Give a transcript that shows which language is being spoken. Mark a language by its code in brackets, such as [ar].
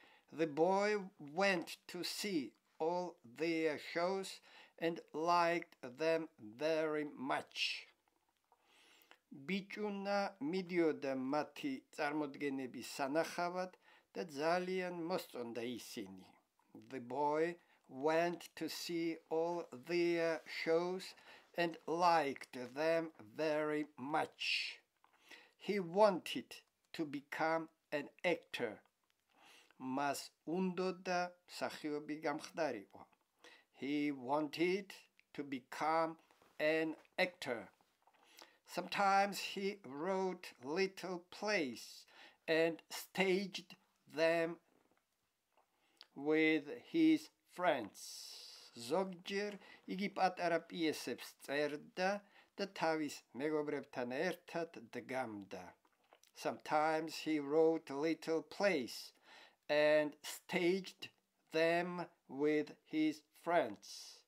[en] The boy went to see all their shows and liked them very much. [ka] Бичуна მიდიოდა მათი წარმოდგენების სანახავად და ძალიან მოსწონდა ისინი. [en] The boy went to see all their shows and liked them very much. He wanted to become an actor. [ka] Мас უნდოდა მსახიობი გამხდარიყო. [en] He wanted to become an actor. Sometimes he wrote little plays and staged them with his friends. [ka] Ზოგჯერ იგი პატარა პიესებს წერდა და თავის მეგობრებთან ერთად დგამდა. [en] Sometimes he wrote little plays and staged them with his friends.